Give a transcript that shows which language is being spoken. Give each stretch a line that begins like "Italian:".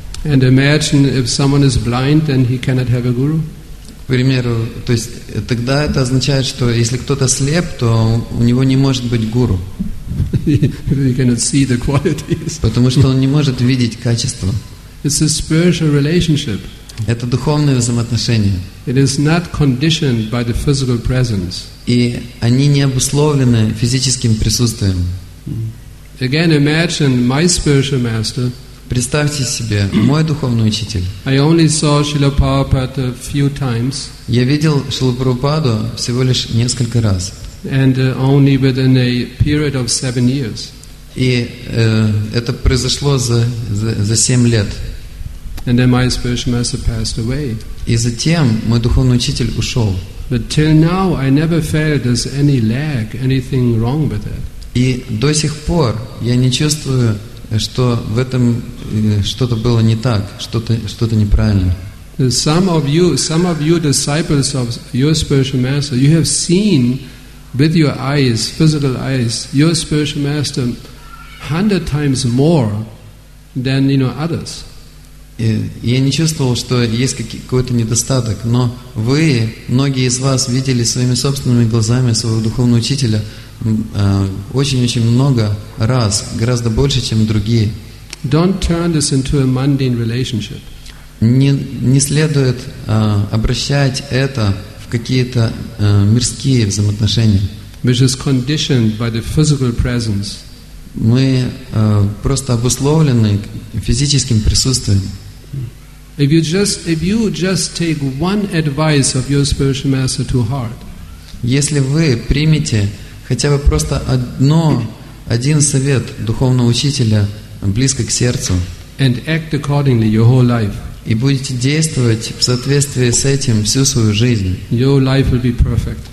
English: And imagine if someone is blind, then he cannot have a guru.
Russian: К примеру, то есть тогда это означает, что если кто-то слеп, то у него не может быть гуру.
English: He cannot see the qualities.
Russian: Потому что он не может видеть качества.
English: It's a spiritual relationship.
Russian: Это духовные взаимоотношения.
English: It is not conditioned by the physical presence.
Russian: И они не обусловлены физическим присутствием.
English: Again, imagine my spiritual master.
Russian: Представьте себе, мой духовный учитель.
English: I only saw Srila Prabhupada a few times.
Russian: Я видел Шрилу Прабхупаду всего лишь несколько раз.
English: And only within a period of 7 years.
Russian: И это произошло за 7 лет.
English: And then my spiritual master passed away.
Russian: И затем мой духовный учитель ушел.
English: But till now I never felt there's any lag, anything wrong with it.
Russian: И до сих пор я не чувствую, что в этом что-то было не так, что-то неправильно.
English: Some of you disciples of your spiritual master, you have seen with your eyes, physical eyes, your spiritual master 100 times more than, you know, others.
Russian: Я не чувствовал, что есть какой-то недостаток, но вы, многие из вас, видели своими собственными глазами своего духовного учителя очень-очень много раз, гораздо больше, чем другие.
English: Don't turn this into a mundane relationship.
Russian: Не следует обращать это в какие-то мирские взаимоотношения.
English: Which is conditioned by the physical presence.
Russian: Мы просто обусловлены физическим присутствием.
English: If you just take one advice of your spiritual master to heart.
Russian: Если вы примете хотя бы просто один совет духовного учителя близко к сердцу.
English: And act accordingly your whole life.
Russian: И будете действовать в соответствии с этим всю свою жизнь.
English: Your life will be perfect.